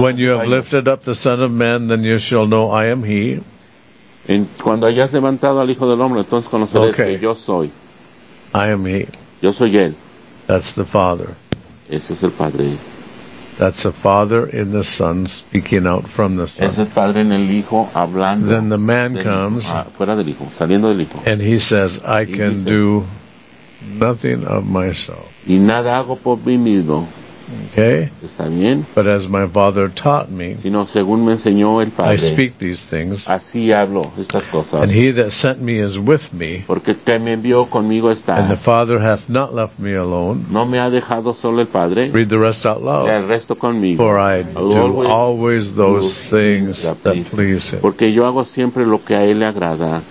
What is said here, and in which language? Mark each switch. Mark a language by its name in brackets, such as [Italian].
[English] when you have lifted up the Son of Man, then you shall know I am He. [Spanish] En, cuando hayas levantado al Hijo del Hombre, entonces conoceréis [English] okay. [Spanish] Que yo soy. [English] I am He. [Spanish] Yo soy él. [English] That's the Father. [Spanish] Ese es el Padre. [English] That's the Father in the Son speaking out from the Son. [Spanish] Es el Padre en el Hijo hablando. [English] Then the man comes [Spanish] fuera del Hijo, saliendo del Hijo. [English] And he says, I can do nothing of myself. [Spanish] Y nada hago por mí mismo. [English] Okay. [Spanish] Está bien. [English] But as my father taught me, [Spanish] sino según me enseñó el padre, [English] I speak these things. [Spanish] Así hablo estas cosas. [English] And he that sent me is with me. [Spanish] Porque que me envió conmigo está. [English] And the father hath not left me alone. [Spanish] No me ha dejado solo el padre. [English] Read the rest out loud. [Spanish] El resto conmigo. [English] For I do always those things that please him. [Spanish] Porque yo hago siempre lo que a él le agrada.